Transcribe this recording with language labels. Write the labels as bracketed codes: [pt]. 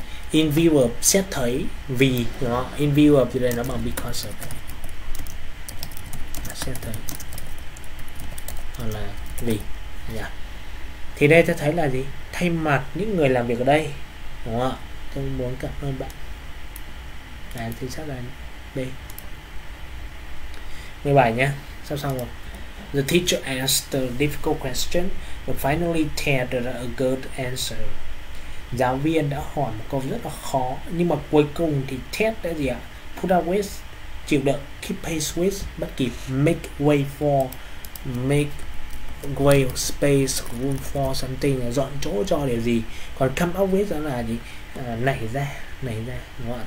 [vi] In view of, xét thấy vì, đúng không? In view of thì đây nó bằng because of, xét thấy hoặc là vì. Yeah. Thì đây ta thấy là gì, thay mặt những người làm việc ở đây, đúng không? Tôi muốn cảm ơn bạn. Đấy, thì sắp là đi 17 nhé, sắp xong rồi. [en] The teacher asked the difficult question, but finally tendered a good answer. [vi] Giáo viên đã hỏi một câu rất là khó, nhưng mà cuối cùng thì Ted đã gì ạ? [en] Put up with, [vi] chịu đựng, [en] keep pace with, [vi] bất kỳ, [en] make way for, make way space, room for something, [vi] dọn chỗ cho để gì. Còn come up with đó là gì? Nảy ra, đúng không?